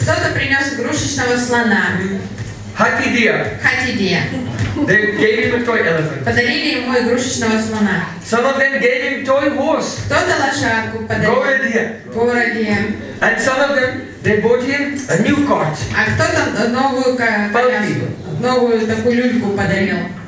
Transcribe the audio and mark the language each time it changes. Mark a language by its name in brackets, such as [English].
[Russian] Кто-то принес игрушечного слона. [Hindi] Хатидия. Хатидия. [English] They gave him a toy elephant. [Russian] Подарили ему игрушечного слона. [English] Some of them gave him toy horse. [Russian] Кто-то лошадку подарил. [Hindi] Говардия. [English] And some of them, they bought him a new cart. [Russian] А кто-то новую коляску, новую такую люльку подарил.